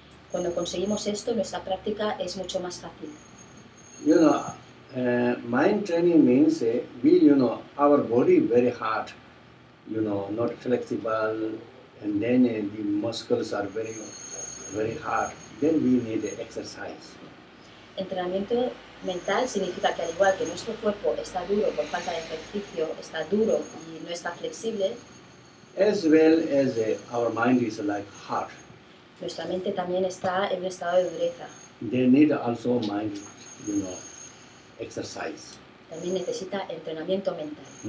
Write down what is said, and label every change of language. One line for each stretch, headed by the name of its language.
Spanish: Cuando conseguimos esto, nuestra práctica es mucho más fácil.
English: You know, mind training means we, you know, our body very hard. You know, not flexible, and then the muscles are very, very hard. Then we need exercise.
Spanish: Entrenamiento mental significa que al igual que nuestro cuerpo está duro por falta de ejercicio, está duro y no está flexible.
English: As well as our mind is like hard.
Spanish: Nuestra mente también está en un estado de dureza.
English: They need also mind, you know, exercise.
Spanish: También necesita entrenamiento mental.